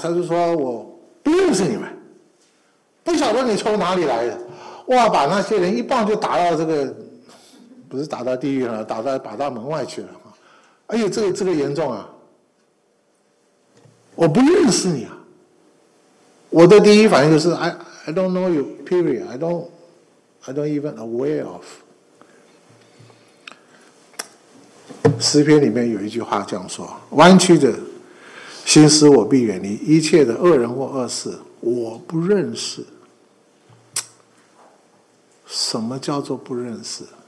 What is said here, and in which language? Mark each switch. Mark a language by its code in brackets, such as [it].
[zh] 他就说：“我不认识你们，不晓得你从哪里来的。” 哇，把那些人一棒就打到这个，不是打到地狱了，打到门外去了。哎呀，这个严重啊，我不认识你啊。我的第一反应就是 [en] I don't know you period， I don't even aware of。 [zh] 诗篇里面有一句话这样说：弯曲的心思我必远离，一切的恶人或恶事我不认识。什么叫做不认识？